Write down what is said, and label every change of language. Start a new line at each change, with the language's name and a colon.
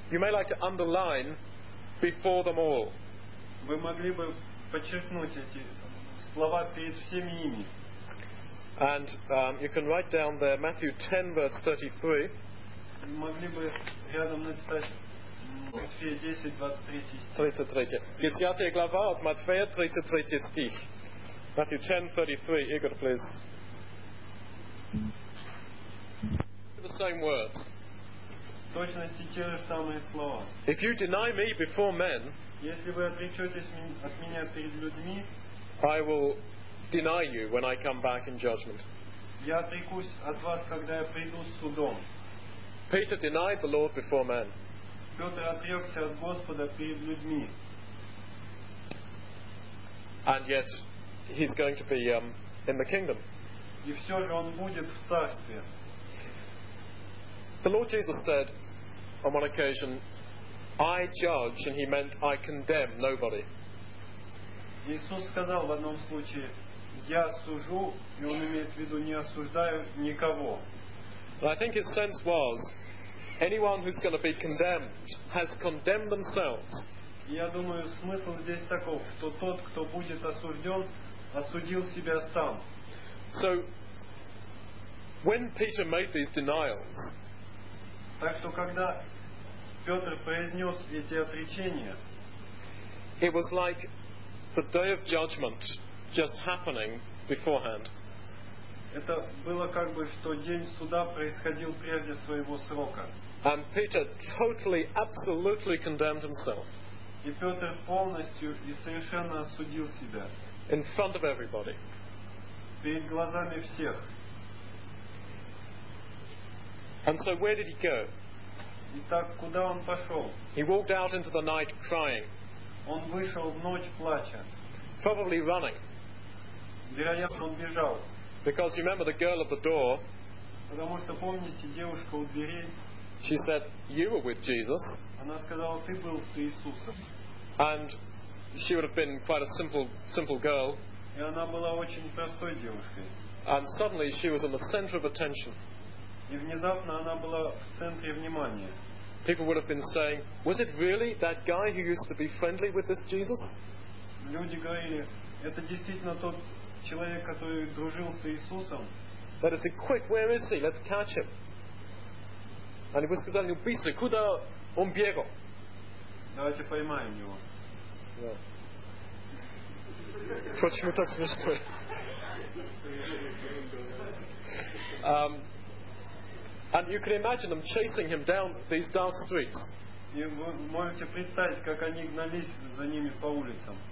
English: You may like to underline before them all.
Russian: Вы могли бы подчеркнуть эти слова перед всеми ими.
English: And you can write down there Matthew 10:33.
Russian: Могли бы рядом написать Матфея 10:23.
English: 33.
Russian: 10 глава от Матфея 33 стих.
English: Matthew 10:33. Игорь, please. The same words.
Russian: Точности те же самые слова.
English: If you deny me before men,
Russian: если вы отречетесь от меня перед людьми,
English: I will deny you when I come back in judgment.
Russian: Я отрекусь от вас, когда я приду с судом.
English: Peter denied the Lord before men.
Russian: Петр отрекся от Господа перед людьми.
English: And yet he's going to be in the kingdom.
Russian: И все же он будет в царстве.
English: The Lord Jesus said on one occasion, I judge, and he meant I condemn nobody.
Russian: Иисус сказал в одном случае, я сужу, и он имеет в виду, не осуждаю никого.
English: I think his sense was, anyone who's going to be condemned has condemned themselves.
Russian: Я думаю, смысл здесь таков, что тот, кто будет осужден, осудил себя сам.
English: So, when Peter made these denials,
Russian: так что когда Петр произнес эти отречения,
English: it was like the day of judgment just happening beforehand.
Russian: Это было как бы, что день суда происходил прежде своего срока.
English: And Peter totally, absolutely condemned himself.
Russian: И Петр полностью и совершенно осудил себя.
English: In front of everybody.
Russian: Перед глазами всех.
English: And so where did he go?
Russian: Итак, куда он пошел?
English: He walked out into the night crying.
Russian: Он вышел в ночь плача.
English: Probably running.
Russian: Вероятно, он бежал.
English: Because you remember the girl at the door.
Russian: Потому что помните девушку у двери.
English: She said, "You were with Jesus."
Russian: Она сказала, ты был с Иисусом.
English: And she would have been quite a simple girl.
Russian: И она была очень простой девушкой.
English: And suddenly she was in the center of attention.
Russian: И внезапно она была в центре внимания.
English: People would have been saying, "Was it really that guy who used to be friendly with this Jesus?"
Russian: Люди говорили, это действительно тот человек, который дружил с Иисусом.
English: Let us say, "Quick, where is he? Let's catch him."
Russian: Они бы сказали, "Ну, быстро, куда он бегал?" Давайте поймаем его. Впрочем, мы так смешно.
English: And you can imagine them chasing him down these dark streets.
Russian: И вы можете представить, как они гнались за ними по улицам.